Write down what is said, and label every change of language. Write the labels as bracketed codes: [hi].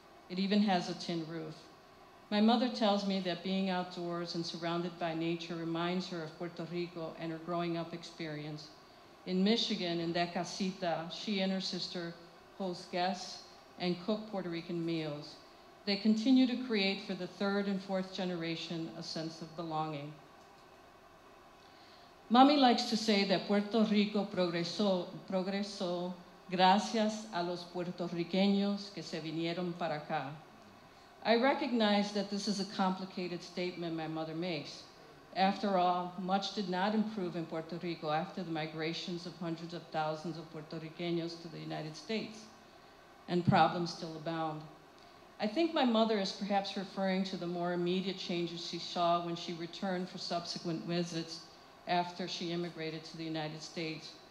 [en] It even has a tin roof. My mother tells me that being outdoors and surrounded by nature reminds her of Puerto Rico and her growing up experience. In Michigan, in that casita, she and her sister host guests and cook Puerto Rican meals. They continue to create for the third and fourth generation a sense of belonging. Mommy likes to say that Puerto Rico [es] progresó gracias a los puertorriqueños que se vinieron para acá. [en] I recognize that this is a complicated statement my mother makes. After all, much did not improve in Puerto Rico after the migrations of hundreds of thousands of puertorriqueños to the United States, and problems still abound. I think my mother is perhaps referring to the more immediate changes she saw when she returned for subsequent visits after she immigrated to the United States.